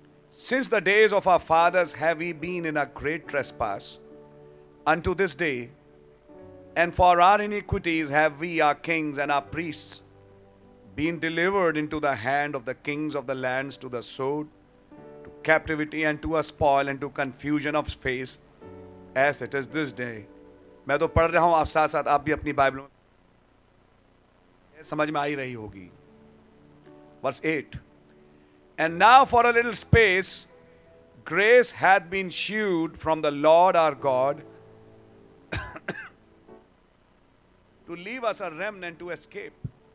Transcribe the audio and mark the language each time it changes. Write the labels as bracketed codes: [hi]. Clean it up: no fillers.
[en] Since the days of our fathers have we been in a great trespass unto this day, and for our iniquities have we, our kings and our priests, been delivered into the hand of the kings of the lands to the sword, to captivity and to a spoil and to confusion of face, as it is this day. [hi] मैं तो पढ़ रहा हूँ आप साथ साथ, आप भी अपनी बाइबलों में समझ में आ ही रही होगी. [en] Verse 8. And now for a little space, grace hath been shewed from the Lord our God to leave us a remnant to escape.